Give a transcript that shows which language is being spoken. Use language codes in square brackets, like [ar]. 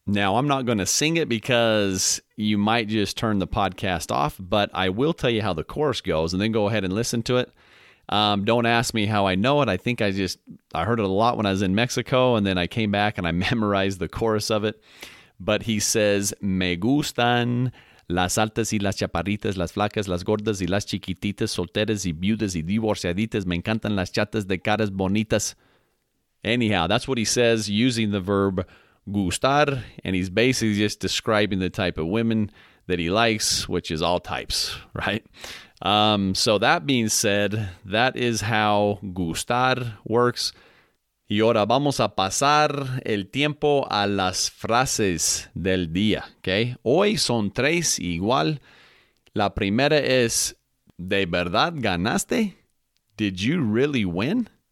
[en] Now, I'm not going to sing it because you might just turn the podcast off, but I will tell you how the chorus goes and then go ahead and listen to it. Don't ask me how I know it. I think I heard it a lot when I was in Mexico, and then I came back and I memorized the chorus of it. But he says, [es] me gustan las altas y las chaparritas, las flacas, las gordas y las chiquititas, solteras y viudas y divorciaditas. Me encantan las chatas de caras bonitas. [en] Anyhow, that's what he says using the verb gustar, and he's basically just describing the type of women that he likes, which is all types, right? So that being said, that is how gustar works. [es] Y ahora vamos a pasar el tiempo a las frases del día, okay? Hoy son tres igual. La primera es, ¿de verdad ganaste? [en] Did you really win?